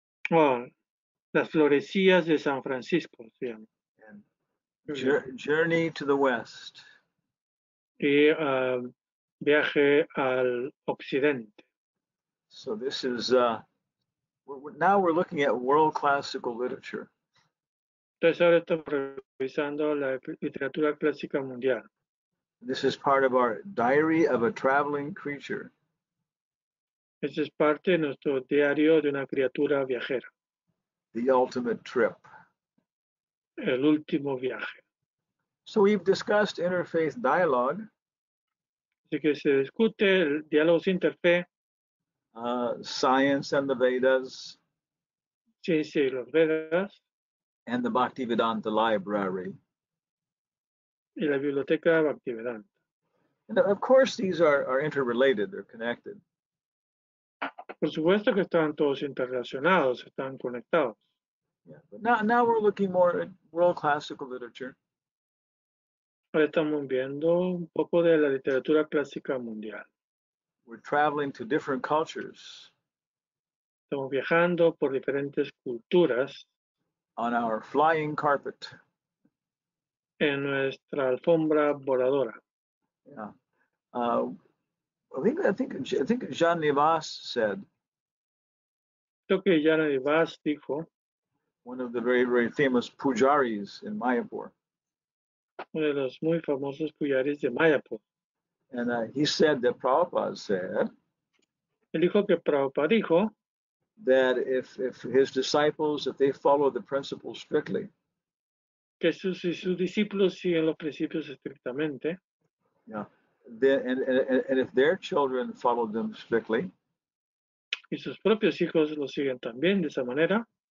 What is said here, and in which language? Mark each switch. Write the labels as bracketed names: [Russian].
[Spanish] Oh, Las Florecillas de San Francisco, sí. [English] And Journey to the West. [Spanish] Y Viaje al Occidente. [English] So this is, now we're looking at world classical literature. [Spanish] Entonces ahora estamos revisando la literatura clásica mundial. [English] This is part of our Diary of a Traveling Creature. [Spanish] Esa es parte de nuestro diario de una criatura viajera. [English] The ultimate trip. [Spanish] El último viaje. [English] So we've discussed interfaith dialogue. [Spanish] Así que se discute el diálogo interfe. [English] Science and the Vedas. [Spanish] Ciencia y los Vedas. [English] And the Bhaktivedanta Library. [Spanish] Y la biblioteca Bhaktivedanta. [English] And of course, these are interrelated. They're connected. [Spanish] Por supuesto que están todos interrelacionados, están conectados. [English] Yeah, but now we're looking more at world classical literature. [Spanish] Ahora estamos viendo un poco de la literatura clásica mundial. [English] We're traveling to different cultures. [Spanish] Estamos viajando por diferentes culturas. [English] On our flying carpet. [Spanish] En nuestra alfombra voladora. [English] Yeah. I think Jean Nivas said. [Spanish] Creo que Jean Nivas dijo. [English] One of the very, very famous pujaris in Mayapur. [Spanish] Uno de los muy famosos pujaris de Mayapur. [English] And he said that Prabhupada said. [Spanish] Él dijo que Prabhupada dijo. [English] That if his disciples, if they follow the principles strictly. [Spanish] Que sus discípulos siguen los principios estrictamente. [English] Yeah. Then, and if their children follow them strictly. [Spanish] Y sus propios hijos lo siguen también de esa manera.